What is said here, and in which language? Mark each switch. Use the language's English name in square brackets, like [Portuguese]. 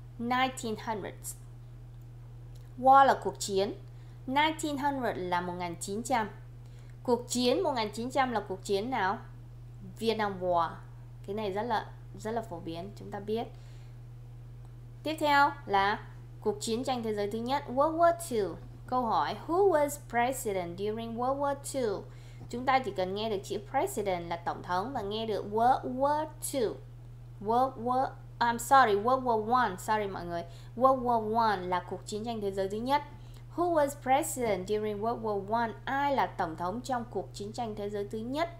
[Vietnamese] 1900s. War là cuộc chiến. 1900 là 1900. Cuộc chiến 1900 là cuộc chiến nào? Vietnam War. Cái này rất là phổ biến, chúng ta biết. Tiếp theo là cuộc chiến tranh thế giới thứ nhất, World War II. Câu hỏi: [English] Who was president during World War II? [Vietnamese] Chúng ta chỉ cần nghe được chữ president là tổng thống và nghe được World War II. World War I là cuộc chiến tranh thế giới thứ nhất. [English] Who was president during World War I? [Vietnamese] Ai là tổng thống trong cuộc chiến tranh thế giới thứ nhất?